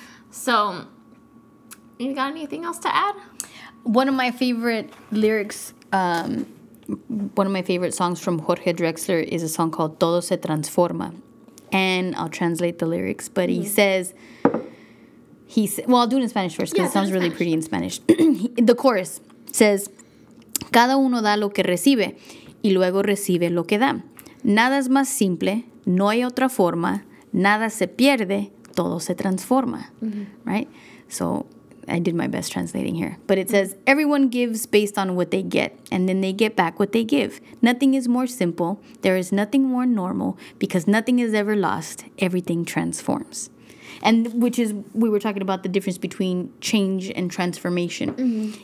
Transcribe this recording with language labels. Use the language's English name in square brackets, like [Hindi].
[English] So, you got anything else to add? One of my favorite lyrics, one of my favorite songs from Jorge Drexler is a song called Todo Se Transforma. And I'll translate the lyrics, but I'll do it in Spanish first because it sounds really pretty in Spanish. The chorus says, [Spanish] Cada uno da lo que recibe y luego recibe lo que da. Nada es más simple, no hay otra forma, nada se pierde. Todo se transforma, [English] right? So I did my best translating here. But it says, everyone gives based on what they get, and then they get back what they give. Nothing is more simple. There is nothing more normal because nothing is ever lost. Everything transforms. And which is, we were talking about the difference between change and transformation. Mm-hmm.